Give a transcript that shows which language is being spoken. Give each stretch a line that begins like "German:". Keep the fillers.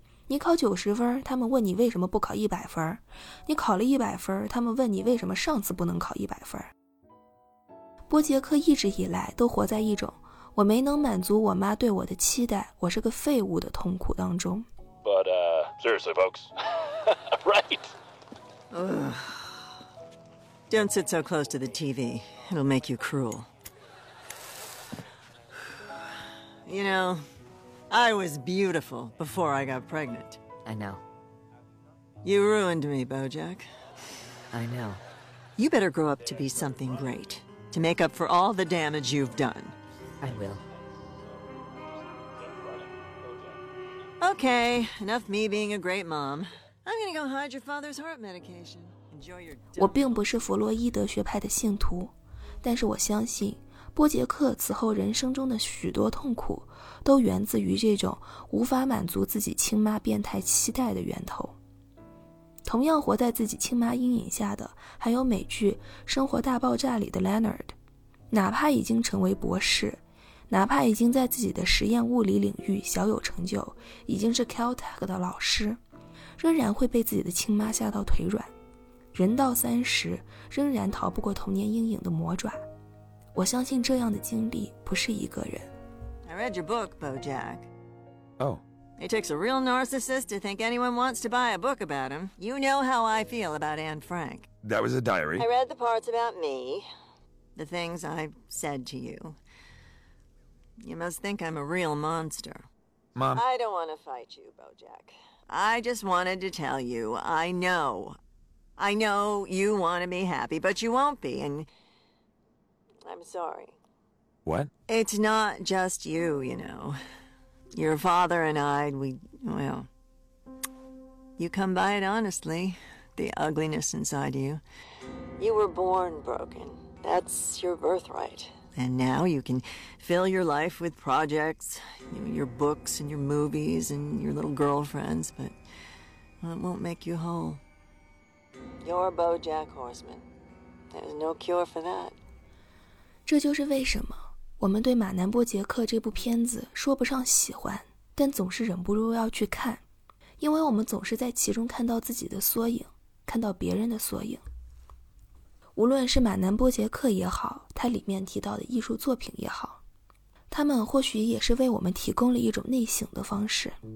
Chinese: 你考九十分，他们问你为什么不考一百分？你考了一百分，他们问你为什么上次不能考一百分？波杰克一直以来都活在一种。我没能满足我妈对我的期待，我是个废物的痛苦当中。
English: But、uh, seriously, folks, right? do uh, don't sit so close to the TV. It'll make you cruel. You know, I was beautiful before I got pregnant. I know. You ruined me, Bojack. I know. You better grow up to be something great, to make up for all the damage you've done. I will. o k enough me being a great mom. I'm gonna go hide your father's heart medication. Enjoy your.
Chinese: 我并不是弗洛伊德学派的信徒，但是我相信。波杰克此后人生中的许多痛苦，都源自于这种无法满足自己亲妈变态期待的源头。同样活在自己亲妈阴影下的，还有美剧《生活大爆炸》里的 Leonard，哪怕已经成为博士，哪怕已经在自己的实验物理领域小有成就，已经是 Caltech 的老师，仍然会被自己的亲妈吓到腿软。人到三十，仍然逃不过童年阴影的魔爪。我相信这样的经历不是一个人。 I read your book, BoJack. Oh. It takes a real narcissist to think anyone wants to buy a book about him. You know how I feel about Anne Frank. That was a diary. I read the parts about me, the things I said to you. You must think I'm a real monster. Mom. I don't want to fight you, Bojack. I just wanted to tell you I know. I know you want to be happy, but you won't be, and. I'm sorry. What? It's not just you, you know. Your father and I, we. Well. You come by it honestly, the ugliness inside you. You were born broken. That's your birthright. and now you can fill your life with projects, you your books and your movies and your little girlfriends, but it won't make you whole. you are a b o u Jack Horseman. there s no cure for that. 这就是为什么我们对马南波杰克这部片子说不上喜欢，但总是忍不住要去看，因为我们总是在其中看到自己的缩影，看到别人的缩影。无论是马南波杰克也好。它里面提到的艺术作品也好，他们或许也是为我们提供了一种内省的方式。